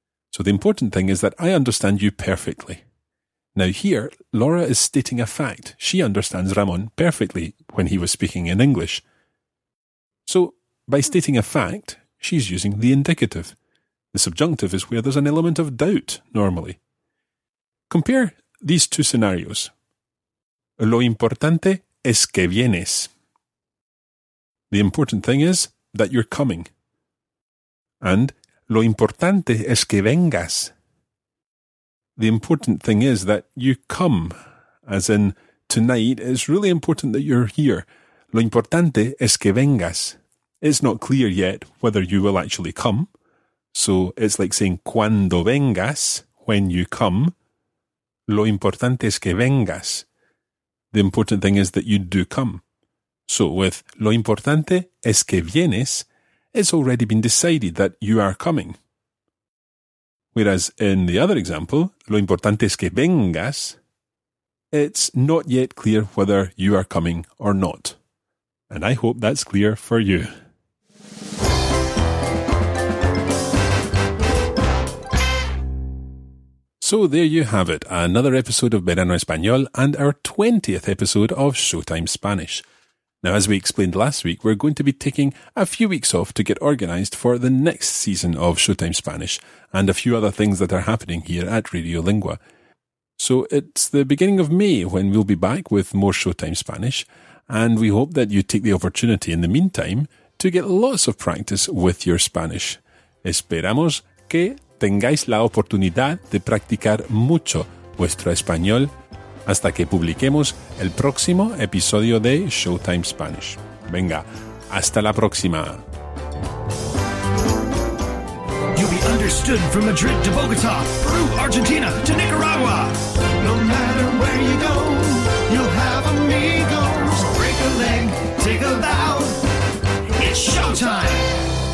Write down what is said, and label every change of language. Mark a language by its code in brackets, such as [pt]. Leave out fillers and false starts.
[en] So the important thing is that I understand you perfectly. Now here, Laura is stating a fact. She understands Ramón perfectly when he was speaking in English. So by stating a fact, she's using the indicative. The subjunctive is where there's an element of doubt normally. Compare these two scenarios. [es] Lo importante es que vienes. [en] The important thing is that you're coming. [es] And lo importante es que vengas. [en] The important thing is that you come, as in tonight, it's really important that you're here. [es] Lo importante es que vengas. [en] It's not clear yet whether you will actually come. So it's like saying [es] cuando vengas, [en] when you come. [es] Lo importante es que vengas. [en] The important thing is that you do come. So with [es] lo importante es que vienes, [en] it's already been decided that you are coming. Whereas in the other example, [es] lo importante es que vengas, [en] it's not yet clear whether you are coming or not. And I hope that's clear for you. So there you have it, another episode of Verano Español and our 20th episode of Showtime Spanish. Now, as we explained last week, we're going to be taking a few weeks off to get organised for the next season of Showtime Spanish and a few other things that are happening here at Radio Lingua. So it's the beginning of May when we'll be back with more Showtime Spanish, and we hope that you take the opportunity in the meantime to get lots of practice with your Spanish. [es] Esperamos que tengáis la oportunidad de practicar mucho vuestro español hasta que publiquemos el próximo episodio de Showtime Spanish. Venga, hasta la próxima. [en] You'll be understood from Madrid to Bogotá, Peru, Argentina to Nicaragua. No matter where you go, you'll have amigos. Break a leg, take a bow. It's Showtime.